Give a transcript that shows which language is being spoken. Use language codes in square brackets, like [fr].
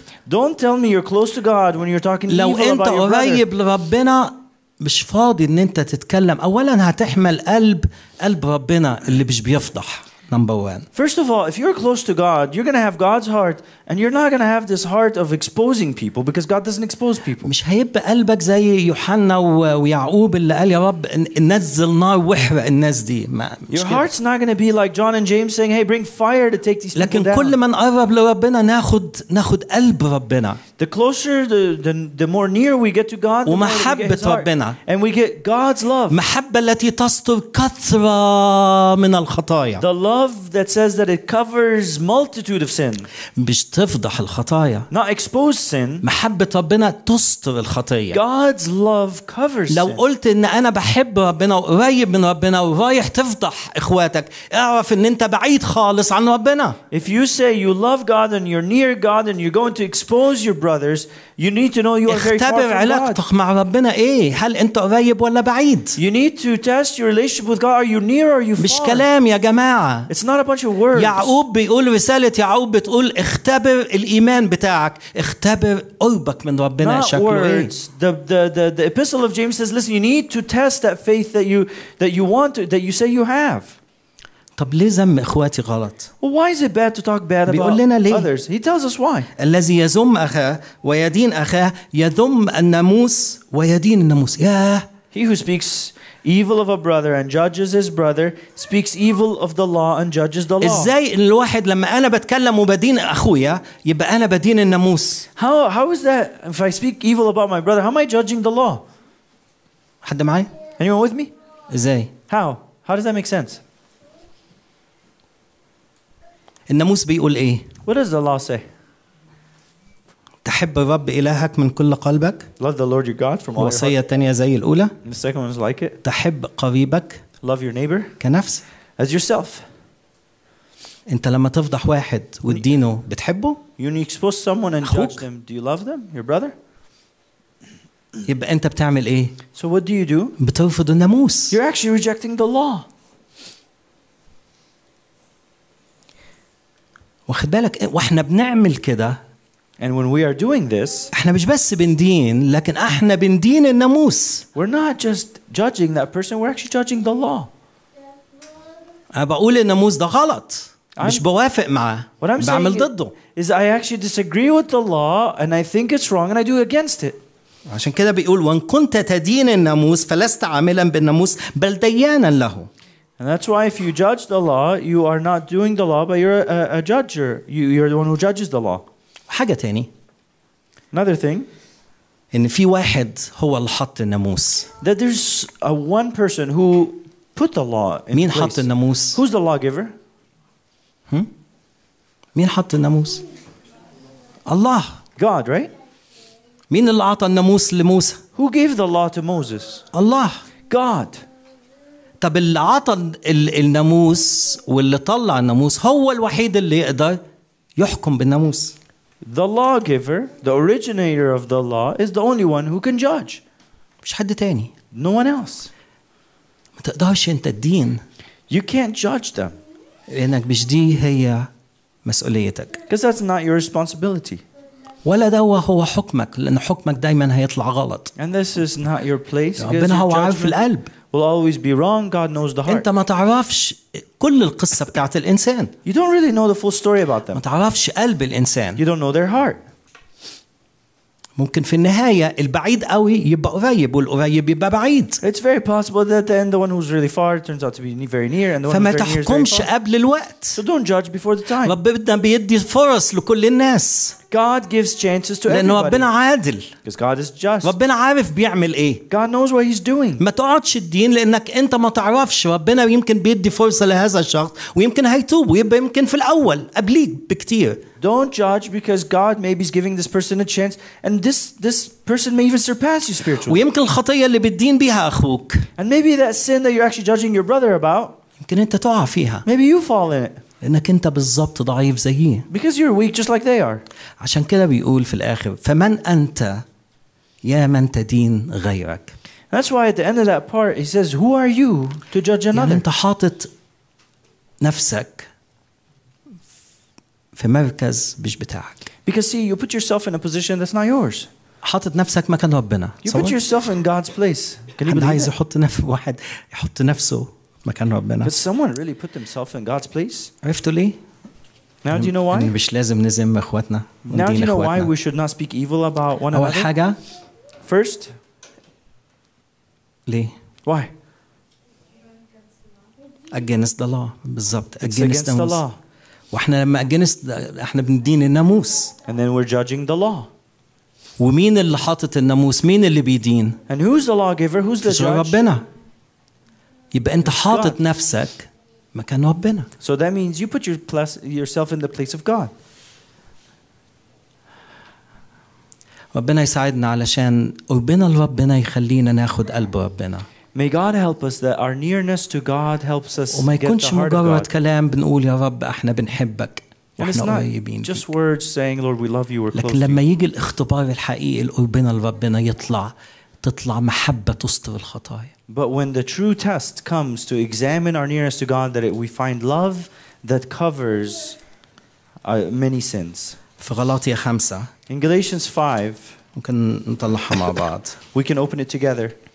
[en] Don't tell me you're close to God when you're talking evil about your brother. [ar] مش فاضي ان انت تتكلم اولا هتحمل قلب ربنا اللي مش بيفضح [en] number one. First of all, if you're close to God, you're going to have God's heart, and you're not going to have this heart of exposing people, because God doesn't expose people. [ar] مش هيبقى قلبك زي يوحنا ويعقوب اللي قال يا رب ننزل نار وحرق الناس دي. [en] Your heart's not going to be like John and James saying, "Hey, bring fire to take these people down." [ar] لكن كل من قرب لربنا ناخد قلب ربنا. [en] The closer, the more near we get to God, the more we get His heart. And we get God's love. [ar] محبة التي تستر كثرة من الخطايا. [en] The love that says that it covers multitude of sin. [ar] مش تفضح الخطايا. [en] Not expose sin. [ar] محبة ربنا تستر الخطية. [en] God's love covers [ar] لو [en] sin. [ar] لو قلت إن أنا بحب ربنا وقريب من ربنا ورايح تفضح إخواتك، اعرف إن أنت بعيد خالص عن ربنا. [en] If you say you love God and you're near God and you're going to expose your brothers, you need to know you are very far from God. [ar] مع ربنا ايه؟ هل انت قريب ولا بعيد؟ [en] You need to test your relationship with God. Are you near or are you far? [ar] مش كلام يا جماعة. [en] It's not a bunch of words. [ar] يعقوب بيقول رسالة يعقوب بتقول اختبر الإيمان بتاعك، اختبر قربك من ربنا شكله [en] words. [ar] ايه؟ [en] The epistle of James says, listen, you need to test that faith that you want to, that you say you have. [ar] طب ليه ذم اخواتي غلط؟ [en] Well, why is it bad to talk bad about others? He tells us why. [ar] الذي يذم اخاه ويدين اخاه يذم الناموس ويدين الناموس. [en] Yeah. He who speaks evil of a brother and judges his brother speaks evil of the law and judges the law. [ar] ازاي الواحد لما انا بتكلم وبدين اخويا يبقى انا بدين الناموس؟ [en] How is that if I speak evil about my brother, how am I judging the law? [ar] حد معايا؟ [en] Anyone with me? [ar] ازاي؟ [en] How does that make sense? [ar] الناموس بيقول ايه؟ [en] What does the law say? [ar] تحب الرب إلهك من كل قلبك؟ [en] Love the Lord your God from all your heart. [ar] وصية تانية زي الأولى؟ [en] The second one is like it. [ar] تحب قريبك؟ [en] Love your neighbor. [ar] كنفس؟ [en] As yourself. [ar] أنت لما تفضح واحد وتدينه بتحبه؟ [en] You expose someone and judge them. Do you love them? Your brother? [ar] يبقى أنت بتعمل ايه؟ [en] So what do you do? [ar] بترفض الناموس. [en] You're actually rejecting the law. [ar] واخد بالك واحنا بنعمل كده [en] and when we are doing this [ar] احنا مش بس بندين لكن احنا بندين الناموس [en] we're not just judging that person we're actually judging the law [ar] انا بقول الناموس ده غلط مش بوافق معاه [en] what I'm [ar] بعمل [en] saying [ar] ضده [en] is I actually disagree with the law and I think it's wrong and I do against it [ar] عشان كده بيقول وان كنت تدين الناموس فلست عاملا بالناموس بل ديانا له [en] And that's why if you judge the law, you are not doing the law, but you're a judger. You're the one who judges the law. [ar] حاجة تاني. [en] Another thing. [ar] إن في واحد هو اللي حط الناموس. [en] That there's a one person who put the law in [ar] مين [en] place. [ar] حط الناموس؟ [en] Who's the lawgiver? [ar] مين حط الناموس؟ الله. [en] God, right? [ar] مين اللي عطى الناموس لموسى؟ [en] Who gave the law to Moses? [ar] الله. [en] God. [ar] طب اللي عطى الناموس واللي طلع الناموس هو الوحيد اللي يقدر يحكم بالناموس. [en] The lawgiver, the originator of the law, is the only one who can judge. [ar] مش حد تاني. [en] No one else. [ar] ما تقدرش انت الدين. [en] You can't judge them. [ar] لأنك مش دي هي مسؤوليتك. [en] Because that's not your responsibility. [ar] ولا ده هو حكمك لأن حكمك دايما هيطلع غلط. [en] And this is not your place. [ar] ربنا هو عارف القلب. [en] Will always be wrong. God knows the heart. [ar] أنت ما تعرفش كل القصة بتاعت الإنسان. [en] You don't really know the full story about them. [ar] ما تعرفش قلب الإنسان. [en] You don't know their heart. [ar] ممكن في النهاية البعيد قوي يبقى قريب والقريب يبقى بعيد. [en] It's very possible that at the end the one who's really far turns out to be very near and the one who's very near is very far. [ar] فما تحكمش قبل الوقت. [en] So don't judge before the time. [ar] ربنا بيدي فرص لكل الناس. [en] God gives chances to everybody. [ar] لأن ربنا عادل. [en] Because God is just. [ar] ربنا عارف بيعمل إيه. [en] God knows what He's doing. [ar] ما تقعدش الدين لأنك أنت ما تعرفش ربنا يمكن بيدي فرصة لهذا الشخص ويمكن هيتوب ويبقى يمكن في الأول قبليك بكتير. [en] Don't judge because God maybe is giving this person a chance and this person may even surpass you spiritually. [ar] ويمكن الخطية اللي بتدين بها أخوك. [en] And maybe that sin that you're actually judging your brother about. [ar] يمكن أنت تقع فيها. [en] Maybe you fall in it. [ar] لأنك أنت بالضبط ضعيف زيه. [en] Because you're weak just like they are. [ar] عشان كده بيقول في الآخر فمن أنت يا من تدين غيرك. [en] That's why at the end of that part he says who are you to judge another. [ar] يعني أنت حاطط نفسك في مركز مش بتاعك. [en] Because see you put yourself in a position that's not yours. [ar] حاطط نفسك مكان ربنا. [en] You put yourself in God's place. [ar] حد عايز يحط نفسه مكان ربنا. [en] But someone really put themselves in God's place. [ar] عرفتوا لي؟ [en] Now do you know why? [ar] مش لازم نزم اخواتنا. [en] Now do you know why we should not speak evil about one another? [ar] أول حاجة. [en] First. [ar] ليه؟ [en] Why? Against the law. [ar] بالضبط. [en] Against the law. [ar] واحنا لما against احنا بندين الناموس. [en] And then we're judging the law. [ar] ومين اللي حاطط الناموس؟ مين اللي بيدين؟ [en] And who's the lawgiver? Who's the judge? [ar] ربنا. يبقى انت حاطط نفسك مكان ربنا. [en] So that means you put yourself in the place of God. [ar] ربنا يساعدنا علشان قربنا لربنا يخلينا ناخد قلب ربنا. [en] May God help us that our nearness to God helps us [ar] وما يكونش مجرد كلام بنقول يا رب احنا بنحبك. [en] And just words saying, Lord, we love you, we're close to you. [ar] لكن لما يجي الاختبار الحقيقي لقربنا لربنا يطلع تطلع محبة تستر الخطايا. [en] But when the true test comes to examine our nearness to God, that we find love that covers many sins. [ar] في غلاطية 5. [en] In Galatians 5. [ar] ممكن نطلعها مع بعض. [en] We can open it together.